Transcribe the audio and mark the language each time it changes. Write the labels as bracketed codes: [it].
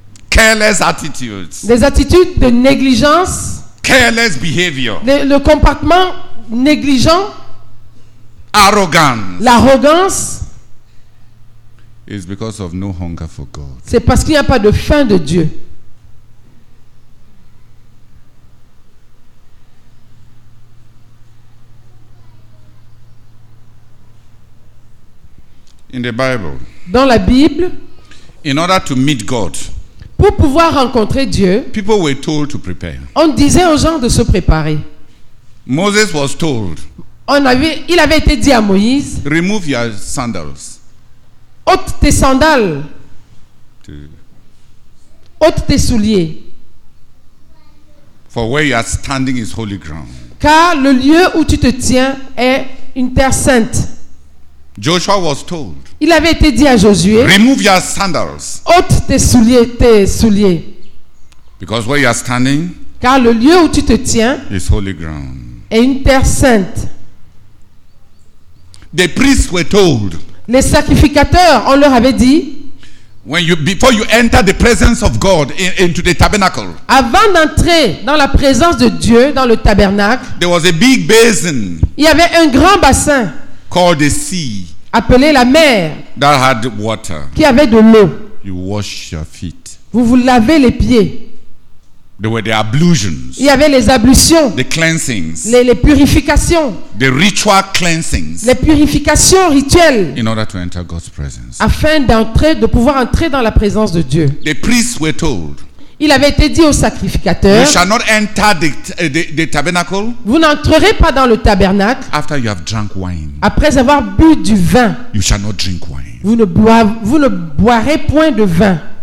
[en] Careless attitudes. [fr] Des attitudes de négligence. [en] Careless behavior. [fr] Le comportement négligent. [en] Arrogance. [fr] L'arrogance. [en] It's because of no hunger for God. [fr] C'est parce qu'il n'y a pas de faim de Dieu. [en] In the Bible. [fr] Dans la Bible. [en] In order to meet God. [fr] Pour pouvoir rencontrer Dieu. [en] People were told to prepare. [fr] On disait aux gens de se préparer. [en] Moses was told. [fr] Il avait été dit à Moïse. [en] Remove your sandals. [fr] Ôte tes sandales. Ôte tes souliers. [en] For where you are standing is holy ground. [fr] Car le lieu où tu te tiens est une terre sainte. [en] Joshua was told. [fr] Il avait été dit à Josué. [en] Remove your sandals. [fr] Ôte tes souliers. [en] Because where you are standing. [fr] Car le lieu où tu te tiens. [en] Is holy ground. [fr] Est une terre sainte. [en] The priests were told. [fr] Les sacrificateurs, on leur avait dit. [en] When you before you enter the presence of God into the tabernacle. [fr] Avant d'entrer dans la présence de Dieu dans le tabernacle. [en] There was a big basin. [fr] Il y avait un grand bassin. [en] Called the sea. [fr] Appelé la mer. [en] That had water. [fr] Qui avait de l'eau. [en] You wash your feet. [fr] Vous vous lavez les pieds. [en] There were the ablutions. [fr] Il y avait les ablutions. [en] The cleansings. [fr] Les purifications. [en] The ritual cleansings. [fr] Les purifications rituelles. [en] In order to enter God's presence. [fr] Afin d'entrer, de pouvoir entrer dans la présence de Dieu. [en] The priests were told. [fr] Il avait été dit aux sacrificateurs. [en] You shall not enter the tabernacle. [fr] Vous n'entrerez pas dans le tabernacle. [en] After you have drunk wine. [fr] Après avoir bu du vin. [en] You shall not drink wine. [fr] Vous ne boirez point de vin.